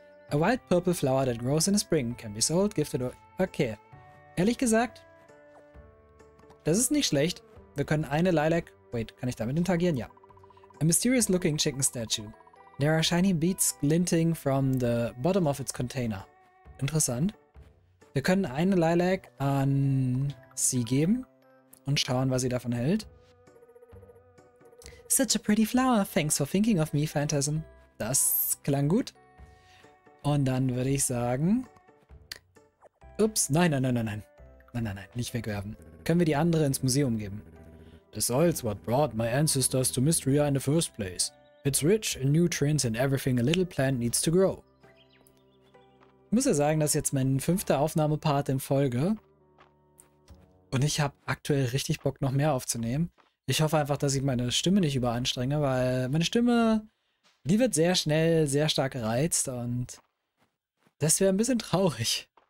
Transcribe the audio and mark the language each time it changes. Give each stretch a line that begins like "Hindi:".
English: A wild purple flower that grows in the spring can be sold, gifted or...
German: Okay. Ehrlich gesagt, das ist nicht schlecht. Wir können eine Lilac...
English: Wait,
German: kann ich damit interagieren? Ja.
English: A mysterious looking chicken statue. There are shiny beads glinting from the bottom of its container.
German: Interessant. Wir können eine Lilac an sie geben und schauen, was sie davon hält.
English: Such a pretty flower. Thanks for thinking of me, Phantasm.
German: Das klang gut. Und dann würde ich sagen. Ups, nein, nein, nein, nein, nein. Nein, nein, nein, nicht wegwerfen. Können wir die andere ins Museum geben?
English: The soil's what brought my ancestors to Mystria in the first place. It's rich in nutrients and everything a little plant needs to grow.
German: Ich muss ja sagen, das ist jetzt mein fünfter Aufnahmepart in Folge. Und ich habe aktuell richtig Bock, noch mehr aufzunehmen. Ich hoffe einfach, dass ich meine Stimme nicht überanstrenge, weil meine Stimme. Die wird sehr schnell sehr stark gereizt und das wäre ein bisschen traurig.